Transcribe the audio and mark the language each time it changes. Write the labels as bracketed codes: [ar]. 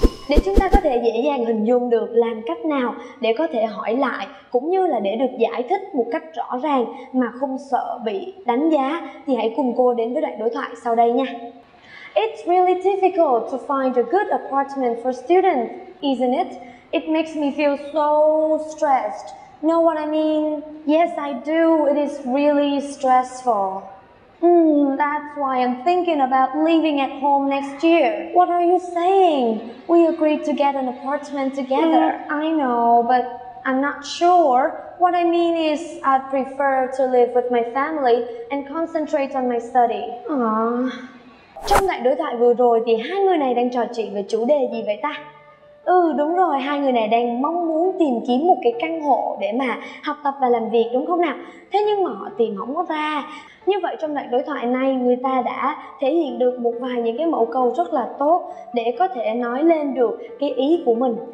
[vi] Để chúng ta có thể dễ dàng hình dung được làm cách nào để có thể hỏi lại cũng như là để được giải thích một cách rõ ràng mà không sợ bị đánh giá thì hãy cùng cô đến với đoạn đối thoại sau đây nha. [en] It's really difficult to find a good apartment for students, isn't it? It makes me feel so stressed. Know what I mean? Yes, I do. It is really stressful. That's why I'm thinking about leaving at home next year. What are you saying? We agreed to get an apartment together. I know, but I'm not sure. What I mean is I'd prefer to live with my family and concentrate on my study. [vi] Trong đoạn đối thoại vừa rồi thì hai người này đang trò chuyện về chủ đề gì vậy ta? Ừ đúng rồi, hai người này đang mong muốn tìm kiếm một cái căn hộ để mà học tập và làm việc đúng không nào? Thế nhưng mà họ tìm không có ra. Như vậy trong đoạn đối thoại này người ta đã thể hiện được một vài những cái mẫu câu rất là tốt để có thể nói lên được cái ý của mình.